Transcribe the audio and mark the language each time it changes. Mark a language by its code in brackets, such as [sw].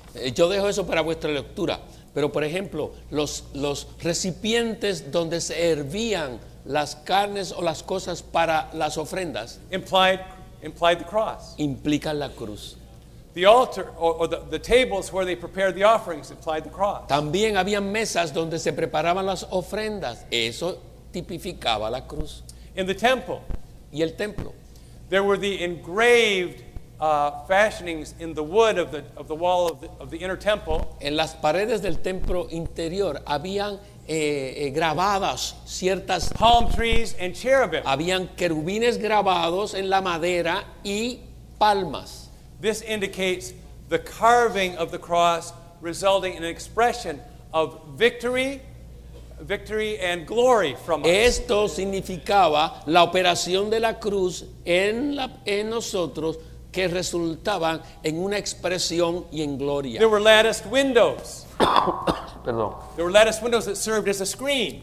[es] Yo dejo eso para vuestra lectura. Pero por ejemplo, los recipientes donde se hervían las carnes o las cosas para las ofrendas. [en] Implied the cross. [es] Implica la cruz. [en] The altar or the tables where they prepared the offerings implied the cross. [es] También había mesas donde se preparaban las ofrendas. Eso tipificaba la cruz. [en] In the temple. [es] Y el templo. [en] There were the engraved fashionings in the wood of the wall of the inner temple. [es] En las paredes del templo interior habían grabadas ciertas [en] palm trees and cherubim. [es] Habían querubines grabados en la madera y palmas. [en] This indicates the carving of the cross resulting in an expression of victory and glory from us. [es] Esto significaba la operación de la cruz en nosotros que resultaban en una expresión y en gloria. [en] There were latticed windows. [es] Perdón. [en] There were latticed windows that served as a screen.